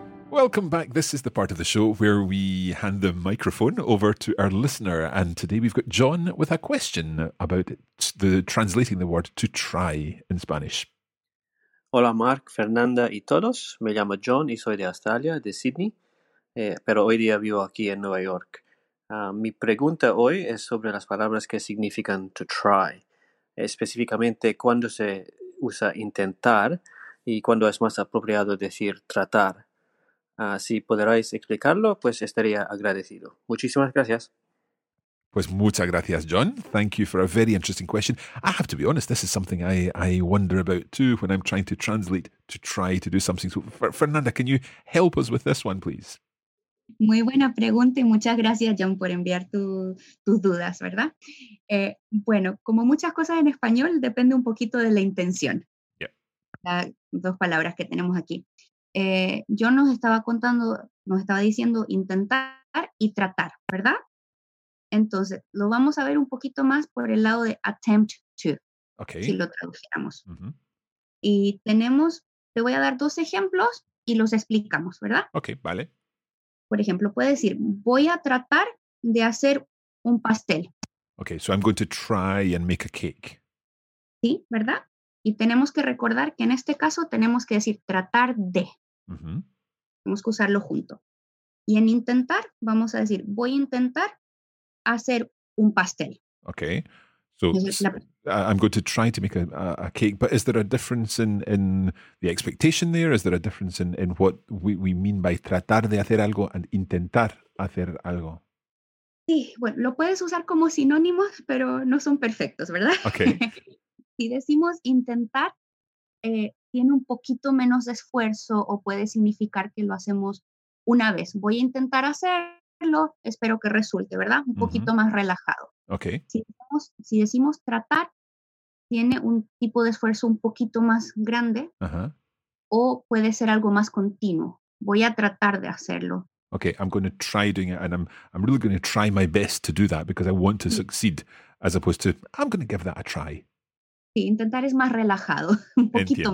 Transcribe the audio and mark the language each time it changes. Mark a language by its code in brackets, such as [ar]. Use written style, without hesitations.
[en] Welcome back. This is the part of the show where we hand the microphone over to our listener. And today we've got John with a question about the translating the word to try in Spanish. [es] Hola, Mark, Fernanda y todos. Me llamo John y soy de Australia, de Sydney. Pero hoy día vivo aquí en Nueva York. Mi pregunta hoy es sobre las palabras que significan to try. Específicamente, ¿cuándo se usa intentar y cuándo es más apropiado decir tratar? Si podráis explicarlo, pues estaría agradecido. Muchísimas gracias. Pues muchas gracias, John. [en] Thank you for a very interesting question. I have to be honest, this is something I wonder about too when I'm trying to translate to try to do something. So, Fernanda, can you help us with this one, please? [es] Muy buena pregunta y muchas gracias, John, por enviar tus dudas, ¿verdad? Bueno, como muchas cosas en español, depende un poquito de la intención. [en] Yeah. [es] Las dos palabras que tenemos aquí. John nos estaba contando, nos estaba diciendo intentar y tratar, ¿verdad? Entonces, lo vamos a ver un poquito más por el lado de attempt to, [en] okay. [es] Si lo tradujéramos. Uh-huh. Y tenemos, te voy a dar dos ejemplos y los explicamos, ¿verdad? Ok, vale. Por ejemplo, puede decir, voy a tratar de hacer un pastel. [en] Ok, so I'm going to try and make a cake. [es] Sí, ¿verdad? Y tenemos que recordar que en este caso tenemos que decir tratar de. Uh-huh. Tenemos que usarlo junto. Y en intentar, vamos a decir, voy a intentar hacer un pastel. [en] Okay. So, I'm going to try to make a cake, but is there a difference in the expectation there? Is there a difference in what we mean by [es] tratar de hacer algo [en] and [es] intentar hacer algo? Sí, bueno, lo puedes usar como sinónimos, pero no son perfectos, ¿verdad? [en] Okay. [es] Si decimos intentar, tiene un poquito menos de esfuerzo o puede significar que lo hacemos una vez. Voy a intentar hacerlo, espero que resulte, ¿verdad? Un poquito uh-huh. más relajado. [en] Okay. [es] Si decimos tratar, tiene un tipo de esfuerzo un poquito más grande uh-huh. o puede ser algo más continuo. Voy a tratar de hacerlo. [en] Okay, I'm going to try doing it and I'm really going to try my best to do that because I want to succeed. as opposed to I'm going to give that a try. [es] Sí, intentar es más relajado, un poquito Entiendo.